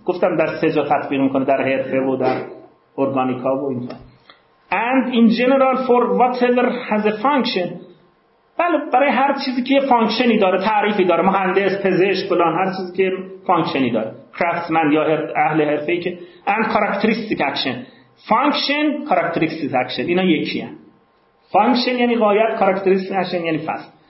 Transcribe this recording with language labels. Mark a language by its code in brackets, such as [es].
[fa] گفتم در سه جا تطبیق میکنه، در حرفه و در ارگانیکا و اینها. [en] And in general for whatever has a function. [fa] بله برای هر چیزی که فانکشنی داره، تعریفی داره، مهندس، پزشک، فلان، هر چیزی که فانکشنی داره. Craftsman یا اهل حرفه ای که [en] and characteristic action. Function, characteristic action. [fa] اینا یکی هست. Function یعنی غایت، characteristic action یعنی فصل.